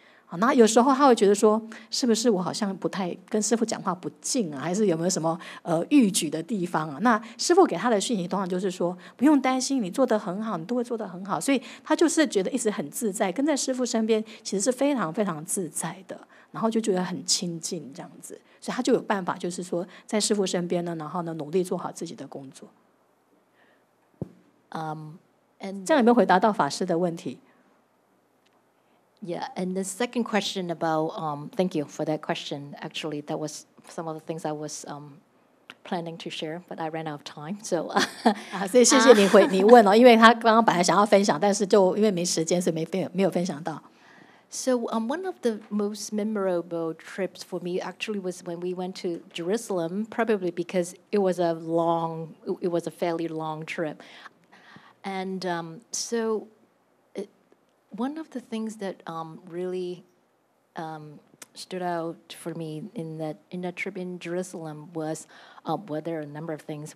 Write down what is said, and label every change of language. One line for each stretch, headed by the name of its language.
Chinese: 好，那有时候他会觉得说是不是我好像不太跟师父讲话不敬啊，还是有没有什么逾矩的地方啊，那师父给他的讯息通常就是说不用担心，你做得很好，你都会做得很好，所以他就是觉得一直很自在，跟在师父身边其实是非常非常自在的，然后就觉得很亲近这样子，所以他就有办法就是说在师父身边呢，然后呢努力做好自己的工作。
English: And
Chinese: 这样有没有回答到法师的问题？
English: Yeah, and the second question about thank you for that question. Actually, that was some of the things I was planning to share, but I ran out of time. So
Chinese: 所以谢谢你问哦，因为他刚刚本来想要分享，但是就因为没时间，所以没有分享到。
English: So one of the most memorable trips for me actually was when we went to Jerusalem, probably because it was a fairly long trip. And one of the things that really stood out for me in that trip in Jerusalem was, well, there are a number of things.